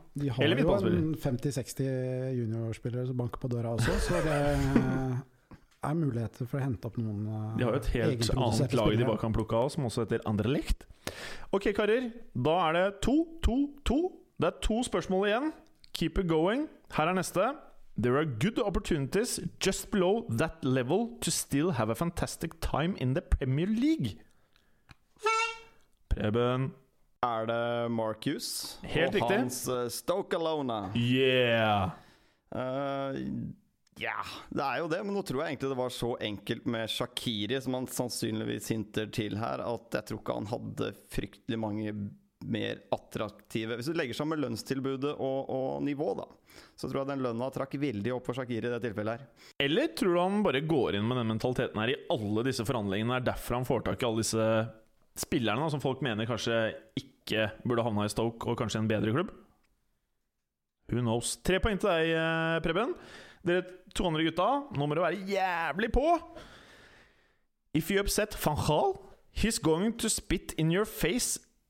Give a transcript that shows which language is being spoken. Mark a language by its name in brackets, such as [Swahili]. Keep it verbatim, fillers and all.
[Norwegian] De har eller jo en femti til seksti juniorspillere som banker på døra også. Så det er muligheter for å hente opp noen. De har jo et helt annet lag de bare kan plukke av, som også heter Anderlecht. Ok, karer, da er det to to to. Det er to spørsmål igjen. [English] Keep it going. [Norwegian] Her er neste. [English] There are good opportunities just below that level to still have a fantastic time in the Premier League. [Norwegian] Preben. Er det Mark Hughes? Helt riktig. Og hans uh, Stoke Alona. [English] Yeah. [Norwegian] Ja, uh, yeah. Det er jo det, men nå tror jeg egentlig det var så enkelt med Shaqiri, som han sannsynligvis hinter til her, at jeg tror ikke han hadde fryktelig mange mer attraktive. Hvis du legger sammen lønnstilbudet og, og nivå da, så tror jeg den lønna trakk veldig opp for Shaqiri i det tilfellet her. Eller tror du han bare går inn med den mentaliteten her i alle disse forhandlingene, er derfor han får tak i alle disse spillerne da, som folk mener kanskje ikke burde havna i Stoke og kanskje en bedre klubb? [English] Who knows? [Norwegian] Tre poeng til deg, Preben. Dere to andre gutta, nå må det være jævlig på. [English] If you upset Van Gaal, he's going to spit in your face.